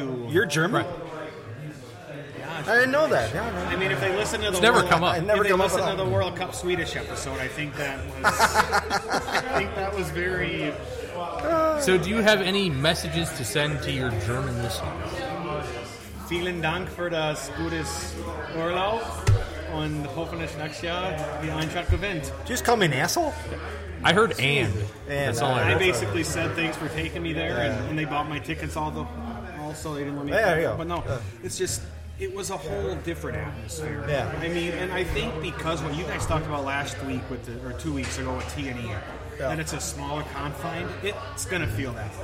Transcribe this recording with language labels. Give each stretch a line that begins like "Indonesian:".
English: You're German. Right. Gosh, I didn't know that. Yeah, I mean, if they listen to the World Cup Swedish episode, I think that was, I think that was very... So do you have any messages to send to your German listeners?
German: Vielen Dank für das gutes Urlaub. On hoffentlich
English: next year, the
German: Eintracht gewinnt.
English: Just call me an asshole? I heard and. That's all I heard. I basically said thanks for taking me there, and they bought my tickets also they didn't let me there come. You go. But no, it's just, it was a whole different atmosphere. Yeah. I mean, and I think because what you guys talked about last week, with the, or 2 weeks ago with TNE, that it's a smaller confine, it's going to feel that way.